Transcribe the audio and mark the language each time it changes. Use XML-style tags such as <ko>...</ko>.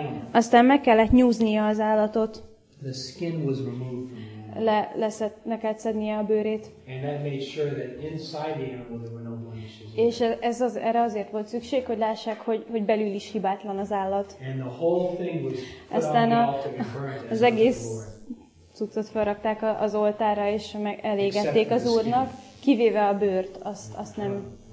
<hu>Aztán meg kellett nyúznia az állatot.</hu> <en>The skin was removed from</en> <hu>Le kellett szednie a bőrét.</hu> <en>And that made sure that inside the animal there were no blemishes.</en> <hu>És ez az, erre azért volt szükség, hogy lássák, hogy belül is hibátlan az állat.</hu> <en>And the whole thing was put on the altar and burned.</en> <hu>Az egész cuccot felrakták az oltára, és elégették az Úrnak, kivéve a bőrt, azt nem.</hu>